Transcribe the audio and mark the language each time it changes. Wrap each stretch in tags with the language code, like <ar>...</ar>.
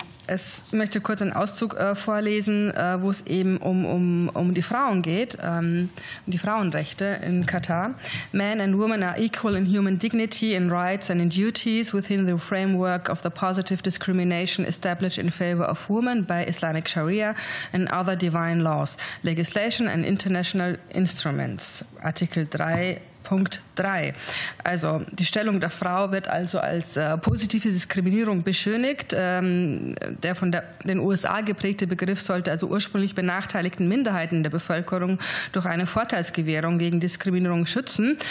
<de>Ich möchte kurz einen Auszug vorlesen, wo es eben um die Frauen geht, um die Frauenrechte in Katar.</de> <en>Men and women are equal in human dignity, in rights and in duties within the framework of the positive discrimination established in favor of women by Islamic Sharia and other divine laws, legislation and international instruments.</en> <de>Artikel 3. Punkt 3. Also die Stellung der Frau wird also als positive Diskriminierung beschönigt. Der von den USA geprägte Begriff sollte also ursprünglich benachteiligten Minderheiten der Bevölkerung durch eine Vorteilsgewährung gegen Diskriminierung schützen.</de>